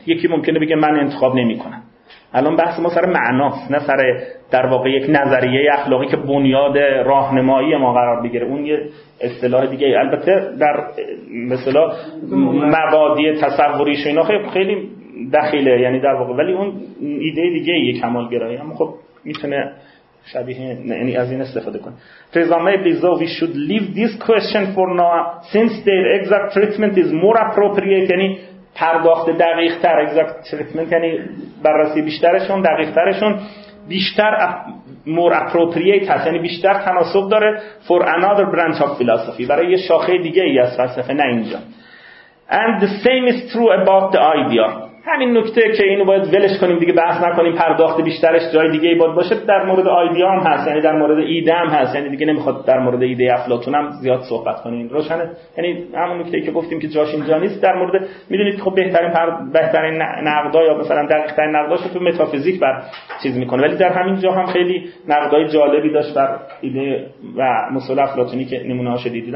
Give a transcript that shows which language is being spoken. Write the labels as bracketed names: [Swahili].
[Persian] یکی ممکنه بگه من انتخاب نمی کنم. الان بحث ما سر معناست، نه سر در واقع یک نظریه اخلاقی که بنیاد راهنمایی ما قرار بگیره. اون یه اصطلاح دیگه ای. البته در مثلا مبادی تصوری شینا خیلی دخیله، یعنی در واقع، ولی اون ایده دیگه ای کمالگرایی. اما خب میتونه شبیه یعنی از این استفاده کنه. [English] Presumably though we should leave this question for now since their exact treatment is more appropriate، [Persian] یعنی پرداخت دقیق تر، [English] exact treatment [Persian] یعنی بررسی بیشترشون، دقیق ترشون بیشتر [English] more appropriate [Persian] هست، یعنی بیشتر تناسب داره [English] for another branch of philosophy، [Persian] برای یه شاخه دیگه ای از فلسفه، نه اینجا. [English] And the same is true about the idea، [Persian] همین نکته که اینو باید ولش کنیم دیگه، بحث نکنیم، پرداخت بیشترش جای دیگه ای باید باشه، در مورد ایده هم هست، یعنی در مورد ایده هم هست، یعنی دیگه نمیخواد در مورد ایده افلاطون هم زیاد صحبت کنیم. روشنه؟ یعنی همون نکته که گفتیم که جاش اینجا نیست، در مورد میدونید خب بهترین نقدا یا مثلا دقیق‌ترین نقداش تو متافیزیک بر چیز میکنه، ولی در همین جا هم خیلی نقدای جالبی داشت بر ایده و مسئله افلاطونی که نمونه‌هاش دیدید.